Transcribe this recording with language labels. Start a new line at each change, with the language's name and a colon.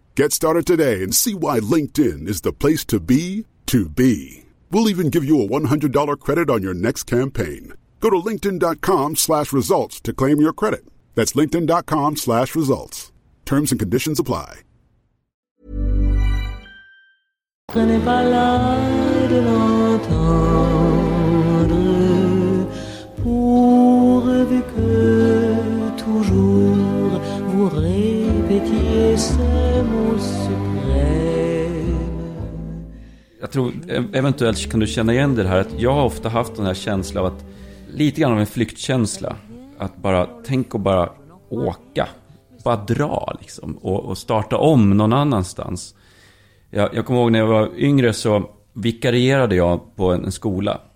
English: Get started today and see why LinkedIn is the place to be, to be. We'll even give you a $100 credit on your next campaign. Go to linkedin.com/results to claim your credit. That's linkedin.com/results. Terms and conditions apply.
French: Je n'ai pas l'air de l'entendre. Pourvu que toujours vous répétiez ces mots suprêmes.
Swedish: Jag tror eventuellt kan du känna igen det här, att jag har ofta haft den här känslan av att lite grann av en flyktkänsla. Att bara tänka och bara åka. Bara dra liksom. Och starta om någon annanstans. Jag kommer ihåg när jag var yngre så vikarierade jag på en skola.